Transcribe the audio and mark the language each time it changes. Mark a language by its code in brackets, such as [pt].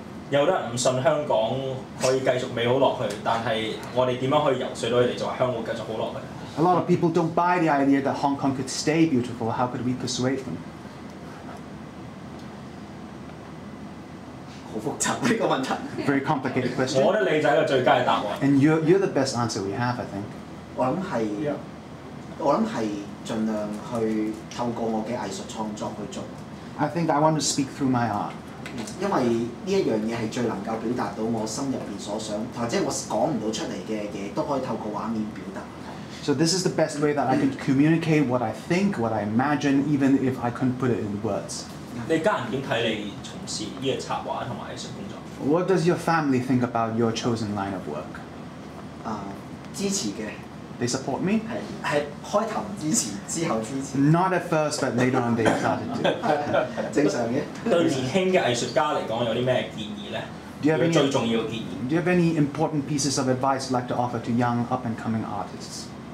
[zh] 有人不信香港可以繼續美好下去, 但是我們怎樣可以游說到他們就說香港繼續好下去? [en] A lot of people don't buy the idea that Hong Kong could stay beautiful. How could we persuade them? [zh] 很複雜, [en] very complicated question. [zh] 我覺得你就是一個最佳的答案. [en] And you're the best answer we have, I think. [zh] 我想是盡量去透過我的藝術創作去做. [en] I think I want to speak through my art. [zh] 因為這件事是最能夠表達到我心裡所想或者我說不出來的東西都可以透過畫面表達. [en] So this is the best way that I can communicate what I think, what I imagine, even if I couldn't put it in words. [zh] 你家人怎麼看你從事這個策劃和藝術工作? [en] What does your family think about your chosen line of work? [zh] 支持的. [en] They support me? [zh] 是開頭不支持,之後支持. [en] Not at first, but later on they started to. [zh] 正常的. 對年輕的藝術家來說有什麼建議呢? 最重要的建議. [en] Do you have any important pieces of advice you'd like to offer to young up-and-coming artists?